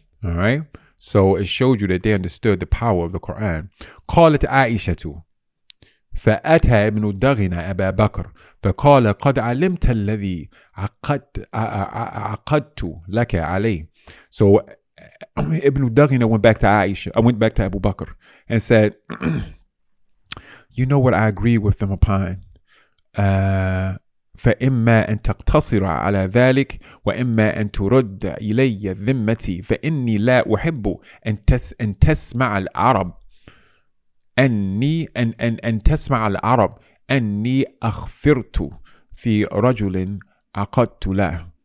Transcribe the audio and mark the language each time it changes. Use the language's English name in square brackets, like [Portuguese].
[English] All right, so it showed you that they understood the power of the Quran. [Arabic] قال عائشة فأتى ابن الدغنة أبا بكر فقال قد علمت الذي عقدت لك عليه. [English] So ابن الدغنة went back to Abu Bakr and said, you know what I agree with them upon. [Arabic] فَإِمَّا أَن تَقْتَصِرَ عَلَى ذَلِكَ وَإِمَّا أَن تُرُدَّ إِلَيَّ ذِمَّتِي فَإِنِّي لَا أُحِبُّ أَن تَسْمَعَ الْعَرَبَ أَنِّي تَسْمَعَ الْعَرَبَ أَنِّي أَخْفِرْتُ فِي رَجُلٍ عَقَدْتُ لَهُ.